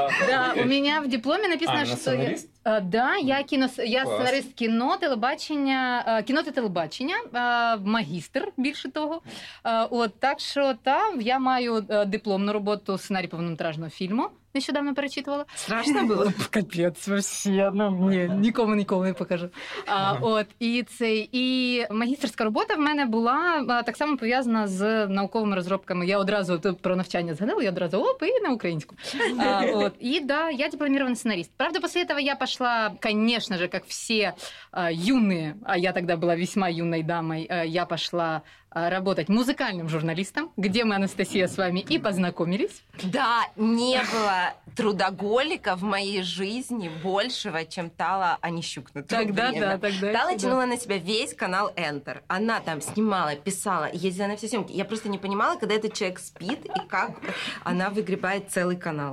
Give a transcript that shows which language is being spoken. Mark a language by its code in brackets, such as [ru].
[ru] Да, у меня в дипломе написано, что... А, [uk] да, я сценарист кіно, телебачення, кіно та телебачення, магістр, більше того. От, так що там я маю дипломну роботу сценарій повнометражного фільму, нещодавно перечитувала. Страшно було? Капець, взагалі, ну, ні, нікому не покажу. От, і магістерська робота в мене була так само пов'язана з науковими розробками. Я одразу про навчання згадала, я одразу, оп, і на українську. От, і да, я дипломірований сценаріст. Правда, після цього я пішла, звісно ж, як всі юні, а я тоді була весьма юною дамою, я пішла [ru] работать музыкальным журналистом, где мы, Анастасия, с вами и познакомились. Да, не было трудоголика в моей жизни большего, чем Тала Онищук. Тогда, да, тогда. Тала тянула на себя весь канал Enter. Она там снимала, писала, ездила на все съемки. Я просто не понимала, когда этот человек спит и как она выгребает целый канал.